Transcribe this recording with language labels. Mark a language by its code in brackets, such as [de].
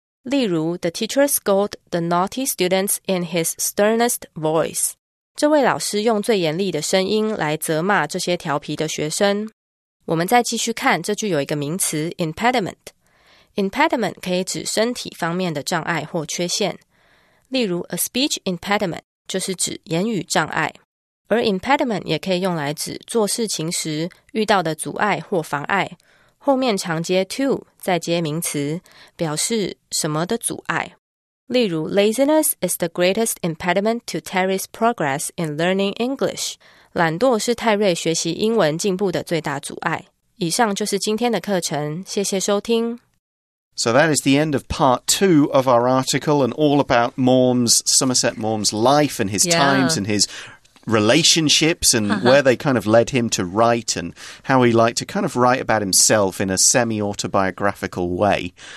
[zh] 例如 [en] The teacher scolded the naughty students in his sternest voice. [zh] 这位老师用最严厉的声音来责骂这些调皮的学生。我们再继续看这句有一个名词 impediment. Impediment 可以指身体方面的障碍或缺陷。例如 [en] A speech impediment [zh] 就是指言语障碍。而 impediment 也可以用来指做事情时遇到的阻碍或妨碍。后面常接 to, 再接名词表示什么的阻碍。例如 [en] laziness is the greatest impediment to Terry's progress in learning English. [zh] 懒惰是泰瑞学习英文进步的最大阻碍。以上就是今天的课程，谢谢收听。 [en] So that is the end of part two of our article and all about Morm's, Somerset Morm's life and his times and his... relationships and where they kind of led him to write and how he liked to kind of write about himself in a semi-autobiographical way.